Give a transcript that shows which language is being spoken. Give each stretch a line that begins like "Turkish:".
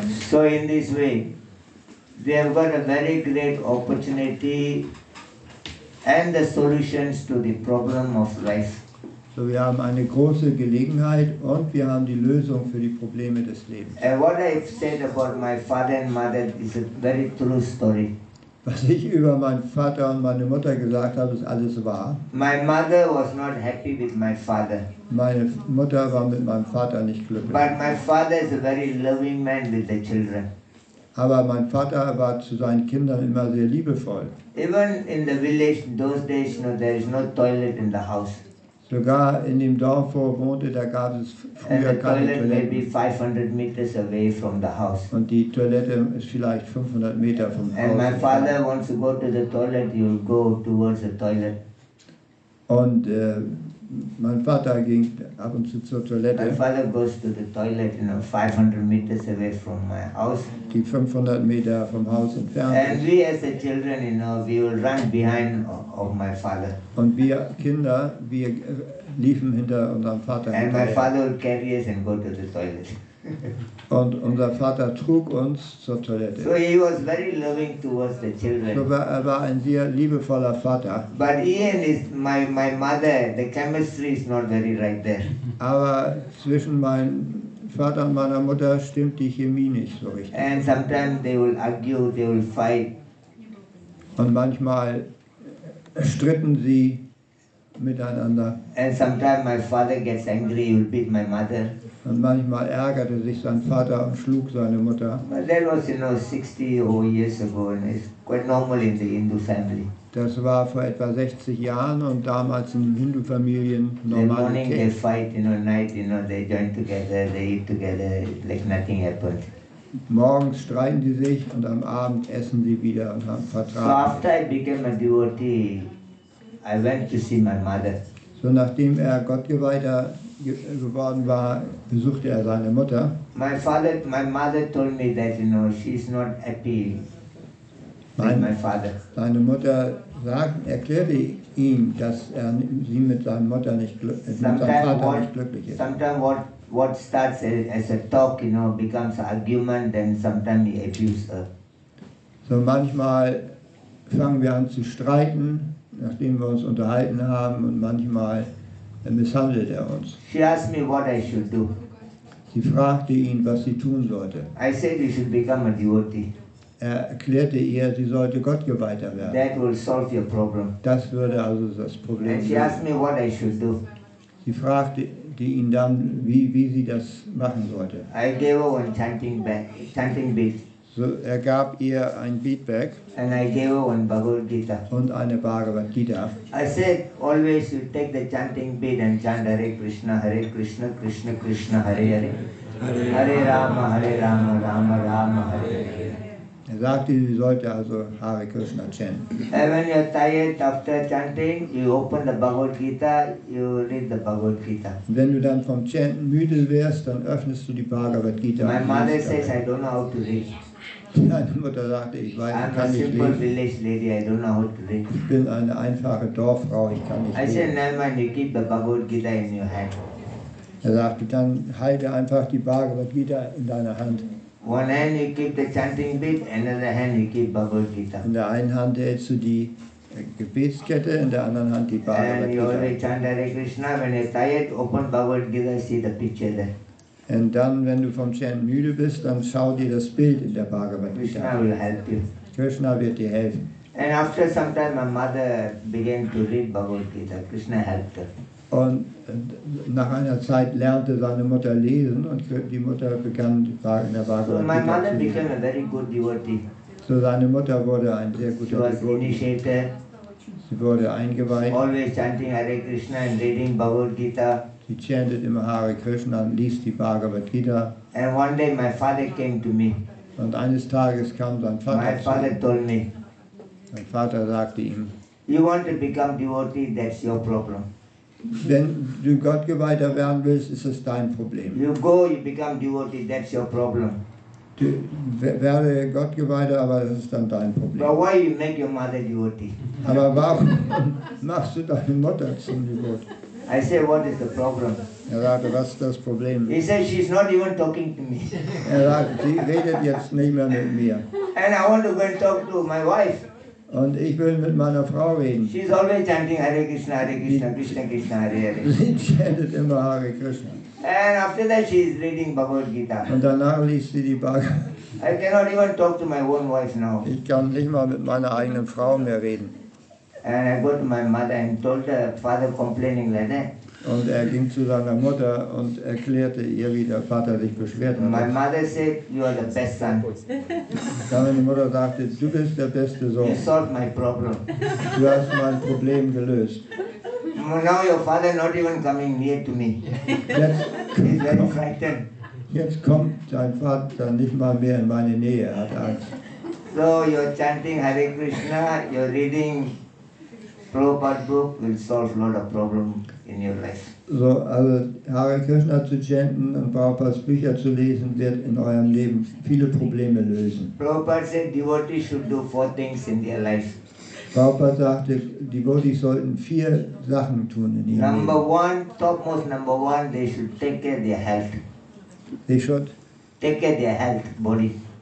English: So in this way, we have got a very great opportunity and the solutions to the problem of life.
German: So wir haben eine große Gelegenheit und wir haben die Lösung für die Probleme des Lebens.
English: And what I said about my father and mother is a very true story.
German: Was ich über meinen Vater und meine Mutter gesagt habe, ist alles wahr.
English: My mother was not happy with my father.
German: Meine Mutter war mit meinem Vater nicht glücklich.
English: But my father is a very loving man with the children.
German: Aber mein Vater war zu seinen Kindern immer sehr liebevoll.
English: Even in the village in those days, you know, there is no toilet in the house.
German: Sogar in dem Dorf, wo er wohnte, da gab es früher keine Toilette.
English: Maybe 500 meters away from the house.
German: Und die Toilette ist vielleicht 500 Meter vom
English: and
German: Haus.
English: And my father
German: entfernt.
English: Wants to go to the toilet, you'll go towards the toilet.
German: Und mein Vater ging ab und zu zur Toilette.
English: My father goes to the toilet, you know, 500 meters away from my house.
German: Die 500 Meter vom Haus entfernt.
English: And we as the children, you know, we will run behind of my father.
German: Und wir Kinder, wir liefen hinter unserem Vater.
English: And my father would carry us and go to the toilet.
German: Und unser Vater trug uns zur Toilette.
English: So he was very loving towards the children.
German: So er war ein sehr liebevoller Vater.
English: But Ian is my mother, the chemistry is not very right there.
German: Aber zwischen meinem Vater und meiner Mutter stimmt die Chemie nicht so richtig.
English: And sometimes they will argue, they will fight.
German: Und manchmal stritten sie miteinander.
English: And sometimes my father gets angry, he will beat my mother.
German: Und manchmal ärgerte sich sein Vater und schlug seine Mutter.
English: That was, you know, 60 years ago, and it's quite normal in the Hindu family.
German: Das war vor etwa 60 Jahren und damals in den Hindu-Familien normal.
English: The morning they fight, you know, night, you know, they join together, they eat together, like nothing happened.
German: Morgens streiten sie sich und am Abend essen sie wieder und haben Vertrag.
English: So after I became a devotee, I went to see my mother.
German: So nachdem er Gottgeweihter geworden war, besuchte er seine Mutter.
English: My father, my mother told me that, you know, she is not happy with my father.
German: Seine Mutter erklärte ihm, dass er sie mit seinem Vater nicht glücklich ist.
English: Sometimes what starts as a talk, you know, becomes an argument, then sometimes he abuses her.
German: So manchmal fangen wir an zu streiten, nachdem wir uns unterhalten haben, und manchmal misshandelt er uns.
English: She asked me what I should do.
German: Sie fragte ihn, was sie tun sollte.
English: I said you should become a devotee.
German: Er erklärte ihr, sie sollte Gottgeweihter werden.
English: That will solve your problem.
German: Das würde also das Problem lösen.
English: And she asked me what I should do.
German: Sie fragte ihn dann, wie sie das machen sollte.
English: I gave her one chanting beat.
German: So, er gab ihr ein Beatback
English: and I gave her one Bhagavad Gita.
German: Und eine Bhagavad Gita.
English: I said, always you take the chanting bead and chant Hare Krishna, Hare Krishna, Krishna Krishna, Hare Hare. Hare Rama, Rama Rama, Hare Hare.
German: Er sagte, sie sollte also Hare Krishna chanten.
English: And when you're tired after chanting, you open the Bhagavad Gita, you read the Bhagavad Gita.
German: Wenn du dann vom Chanten müde wirst, dann öffnest du die Bhagavad Gita.
English: My mother says, I don't know how to read.
German: Meine Mutter sagte, ich weiß, ich kann nicht lesen.
English: Village lady, I don't know how to read.
German: Ich bin eine einfache Dorffrau, ich kann nicht lesen.
English: I said, never mind, you keep the Bhagavad Gita in your hand.
German: Er sagte, dann halte einfach die Bhagavad Gita in deiner Hand.
English: One hand you keep the chanting bead, another hand you keep Bhagavad Gita.
German: In der einen Hand hältst du die Gebetskette, in der anderen Hand die Bhagavad Gita.
English: And you always chant Hare Krishna, when you're tired, open Bhagavad Gita, see the picture there.
German: Und dann, wenn du vom Chanten müde bist, dann schau dir das Bild in der Bhagavad Gita.
English: Krishna will help you.
German: Krishna wird dir helfen.
English: And after some time, my mother began to read Bhagavad Gita. Krishna helped her.
German: Und nach einer Zeit lernte seine Mutter lesen und die Mutter begann in der Bhagavad Gita zu lesen.
English: So my mother became a very good devotee.
German: So seine Mutter wurde ein sehr guter
English: Devotee. She was initiated.
German: Sie wurde eingeweiht.
English: Always chanting Hare Krishna and reading Bhagavad Gita. He chanted the Hare Krishna and
German: liest die
English: Bhagavad Gita. And one day my father came to me.
German: Und eines Tages kam sein Vater zu ihm.
English: My father told me.
German: Sein Vater sagte ihm.
English: You want to become devotee, that's your problem.
German: Wenn du Gott geweihter werden willst, ist es dein Problem.
English: You go, you become devotee, that's your problem.
German: Du werde Gott geweihter, aber das ist dann dein Problem.
English: But why you make your mother devotee?
German: Aber warum machst du deine Mutter zum Devotee?
English: I say, what is the problem?
German: Er sagte, was ist das Problem?
English: He said, she's not even talking to me.
German: Er sagte, sie redet jetzt nicht mehr mit mir.
English: And I want to go and talk to my wife.
German: Und ich will mit meiner Frau reden.
English: She's always chanting Hare Krishna, Hare Krishna, Krishna Krishna, Hare Hare.
German: Sie chantet immer Hare Krishna.
English: And after that she is reading Bhagavad Gita.
German: Und danach liest sie die Bhagavad Gita.
English: I cannot even talk to my own wife now.
German: Ich kann nicht mal mit meiner eigenen Frau mehr reden.
English: And I go to my mother and told her, father complaining like that.
German: Und er ging zu seiner Mutter und erklärte ihr, wie der Vater sich beschwert hat.
English: My mother said, you are the best son.
German: Dann meine Mutter sagte, du bist der beste Sohn.
English: You solved my problem.
German: Du hast mein Problem gelöst.
English: Now your father not even coming near to me.
German: Jetzt,
English: he's very frightened.
German: Jetzt kommt dein Vater nicht mal mehr in meine Nähe, er hat Angst.
English: So you're chanting Hare Krishna, you're reading Prabhupada book, will solve a lot of problems. In your life.
German: So, also Hare Krishna zu chanten und Prabhupadas Bücher zu lesen, wird in eurem Leben viele Probleme lösen.
English: Prabhupada said, devotees should do four things in their life.
German: Prabhupada sagte, devotees sollten vier Sachen tun in ihrem
English: number
German: Leben.
English: Number one, topmost number one, they should take care of their health. They should? Take care of their health, body.